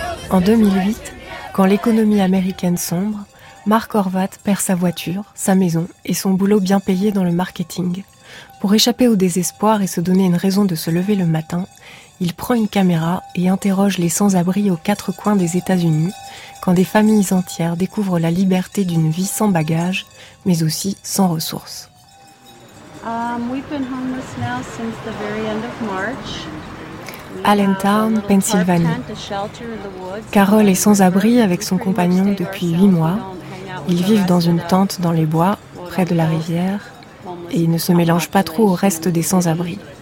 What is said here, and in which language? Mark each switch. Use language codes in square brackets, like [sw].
[fr] En 2008, quand l'économie américaine sombre, Mark Horvat perd sa voiture, sa maison et son boulot bien payé dans le marketing. Pour échapper au désespoir et se donner une raison de se lever le matin, il prend une caméra et interroge les sans-abri aux quatre coins des États-Unis, quand des familles entières découvrent la liberté d'une vie sans bagages, mais aussi sans ressources. [en] We've been homeless now since the very end of March. [fr] Allentown, Pennsylvanie. Carole est sans abri avec son compagnon depuis 8 mois. Ils vivent dans une tente dans les bois, près de la rivière, et ils ne se mélangent pas trop au reste des sans-abri.